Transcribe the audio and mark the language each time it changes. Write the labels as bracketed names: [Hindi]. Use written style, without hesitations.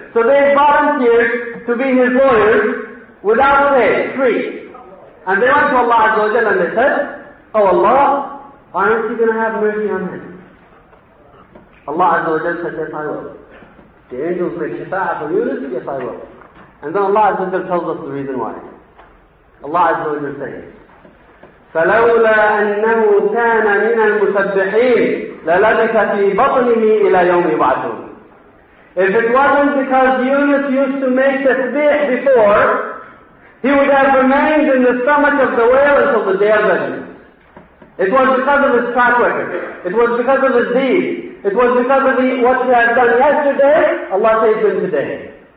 [English] So they volunteered to be his lawyers without pay, free. And they went to Allah Azza wa Jalla and they said, "Oh Allah, aren't you going to have mercy on him?" Allah Azza wa Jalla said, "Yes, I will." The angels said, "Shafa'a for Yunus?" "Yes, I will." And then Allah Azza wa Jalla tells us the reason why. Allah Azza wa Jalla says, [Arabic] فَلَوْلَا أَنَّهُ كَانَ مِنَ الْمُسَبِّحِينَ لَلَبِثَ فِي بَطْنِهِ إِلَى يَوْمِ يُبْعَثُونَ. [English] If it wasn't because Yunus used to make tasbih before, he would have remained in the stomach of the whale until the day of judgment. It was because of his track record. It was because of his deed. It was because of what he had done yesterday, Allah saved him today.